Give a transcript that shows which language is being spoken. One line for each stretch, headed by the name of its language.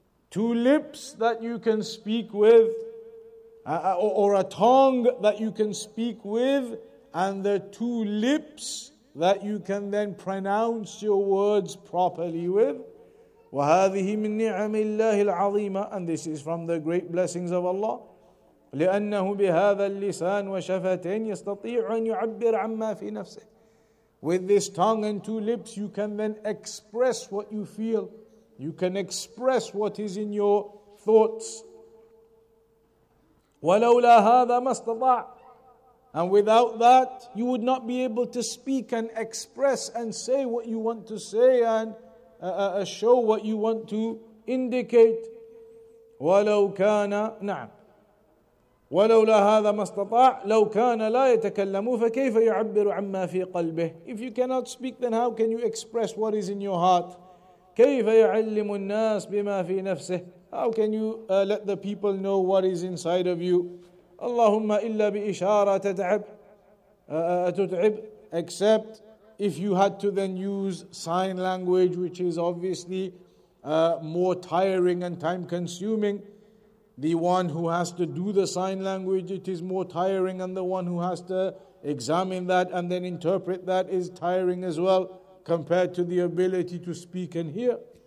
English: Two lips that you can speak with, or a tongue that you can speak with, and the two lips that you can then pronounce your words properly with.
Arabic: وَهَذِهِ مِنْ نِعَمِ اللَّهِ الْعَظِيمَةِ.
English: And this is from the great blessings of Allah.
Arabic: لأنه بهذا اللسان وشفتين يستطيع أن يعبر عما في نفسه.
English: With this tongue and two lips, you can then express what you feel. You can express what is in your thoughts.
Arabic: ولولا هذا ما استطاع.
English: And without that, you would not be able to speak and express and say what you want to say and show what you want to indicate.
Arabic: ولو كان نعم. ولولا هذا ما استطاع لو كان لا يتكلم فكيف يعبر عما في قلبه.
English: If you cannot speak, then how can you express what is in your heart?
Arabic: كيف يعلم الناس بما في نفسه.
English: How can you let the people know what is inside of you?
Arabic: اللهم إلا بإشارة تتعب.
English: Except if you had to then use sign language, which is obviously more tiring and time consuming. The one who has to do the sign language, it is more tiring, and the one who has to examine that and then interpret that is tiring as well, compared to the ability to speak and hear.